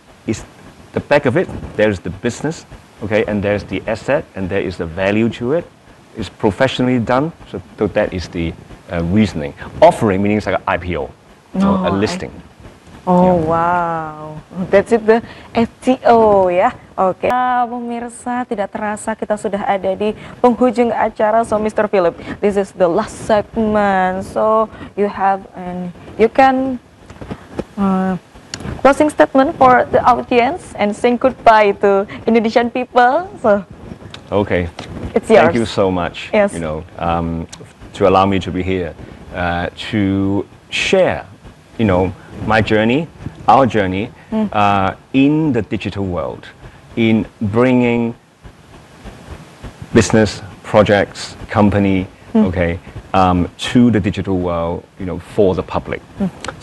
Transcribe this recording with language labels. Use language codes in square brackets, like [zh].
[en] Is the back of it, there's the business, okay? And there's the asset, and there is the value to it. It's professionally done, so that is the reasoning. Offering meaning it's like an IPO, a listing. Wow, that's it, the STO, ya. Okay. [id] Pemirsa, tidak terasa kita sudah ada di penghujung acara. [en] So, Mr. Philip, this is the last segment. So, you have and you can closing statement for the audience and saying goodbye to Indonesian people. So, okay. It's yours. Thank you so much. Yes. You know. To allow me to be here, to share, you know, my journey, our journey in the digital world, in bringing business, projects, company, to the digital world, you know, for the public. Mm.